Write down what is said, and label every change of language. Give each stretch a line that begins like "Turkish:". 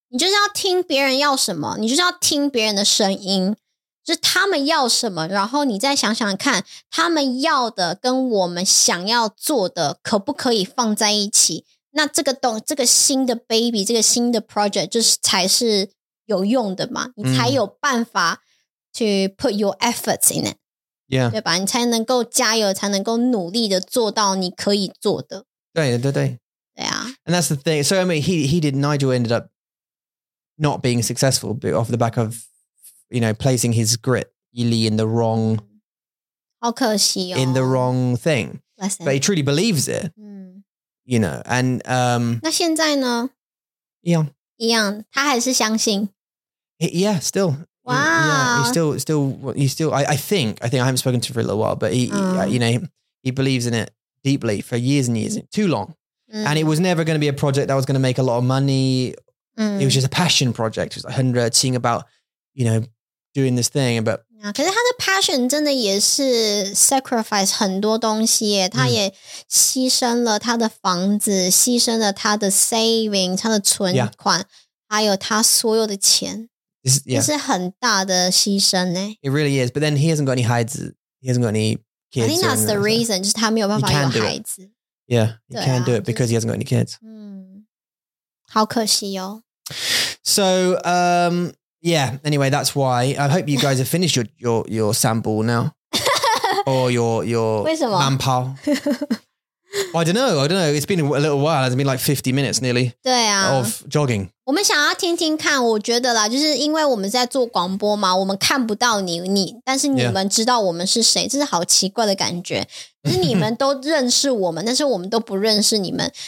Chinese: 你就是要听别人要什么，你就是要听别人的声音，就是他们要什么，然后你再想想看，他们要的跟我们想要做的可不可以放在一起？那这个新的 baby, 这个新的 project 就是才是有用的嘛，你才有办法
English: to put your efforts in it. Yeah.
Chinese: 对吧？你才能够加油，才能够努力的做到你可以做的。对。
English: Yeah. And that's the thing. So, I mean, Nigel ended up not being successful, but off the back of, you know, placing his grit, Yili, in the wrong...
Chinese: 好可惜哦。
English: In the wrong thing. Lesson. But he truly believes it. You know, and...
Chinese: 那现在呢?
English: Yeah.
Chinese: 一样。他还是相信。
English: Yeah, still. Wow. Yeah, he's still, I think, I haven't spoken to him for a little while, but he believes in it. Deeply for years and years, too long. And it was never going to be a project that was going to make a lot of money. It was just a passion project. It was like 100, seeing about, you know, doing this thing. But yeah, because his passion
Chinese: 真的也是
English: sacrifice
Chinese: 很多东西耶。他也牺牲了他的房子，牺牲了他的 saving, 他的存款，还有他所有的钱。这是很大的牺牲耶。
English: It really is. But then he hasn't got any
Chinese: 孩子.
English: He hasn't got any... I think that's the reason, just how he can do it. Yeah, he can do it because he hasn't got any kids.
Chinese: 好可惜哦。
English: So, yeah, anyway, that's why. I hope you guys have finished your sample now. Or your manpower. Well, I don't know. It's been a little while. It's been like 50 minutes nearly. Yeah. Of jogging.
Chinese: 我们想要听听看，我觉得啦，就是因为我们在做广播嘛，我们看不到你，但是你们知道我们是谁，这是好奇怪的感觉。就是你们都认识我们，但是我们都不认识你们。